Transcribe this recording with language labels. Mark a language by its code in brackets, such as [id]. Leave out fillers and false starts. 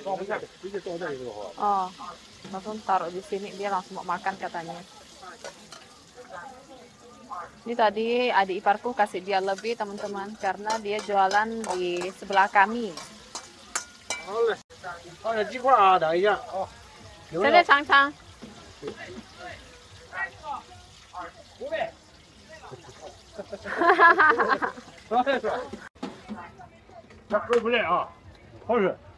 [zh] 放那个，放那个，直接放那个就好。哦，老公 [id] taruh di sini, dia langsung makan katanya. Ini tadi adik iparku kasih dia lebih teman-teman, karena dia jualan di sebelah kami. [zh] 好嘞，放点鸡块啊，等一下。哦。现在尝尝。湖北。哈哈哈哈哈！啥味儿不赖啊？好吃。